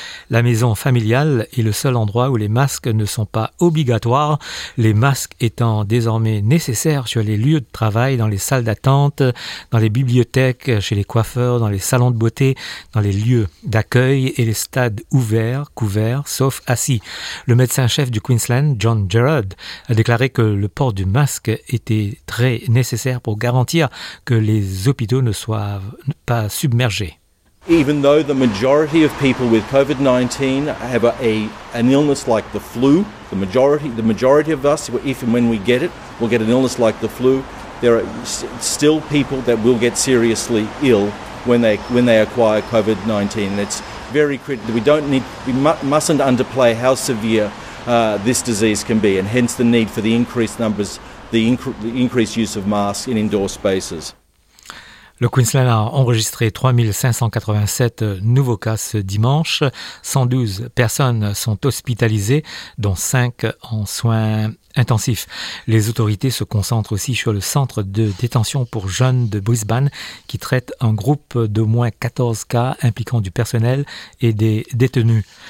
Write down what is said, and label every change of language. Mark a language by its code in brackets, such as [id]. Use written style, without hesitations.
[fr] La maison familiale est le seul endroit où les masques ne sont pas obligatoires, les masques étant désormais nécessaires sur les lieux de travail, dans les salles d'attente, dans les bibliothèques, chez les coiffeurs, dans les salons de beauté, dans les lieux d'accueil et les stades ouverts, couverts, sauf assis. Le médecin-chef du Queensland, John Gerrard, a déclaré que le port du masque était très nécessaire pour garantir que les hôpitaux ne soient pas submergés. [en] Even though the majority of people with COVID-19 have an illness like the flu, the majority of us, if and when we get it, will get an illness like the flu, there are still people that will get seriously ill when they acquire COVID-19. It's very critical. We mustn't underplay how severe this disease can be, and hence the need for the increased numbers. The increased use of masks in indoor spaces. [fr] Le Queensland a enregistré 3587 nouveaux cas ce dimanche. 112 personnes sont hospitalisées, dont 5 en soins intensifs. Les autorités se concentrent aussi sur le centre de détention pour jeunes de Brisbane qui traite un groupe d'au moins 14 cas impliquant du personnel et des détenus.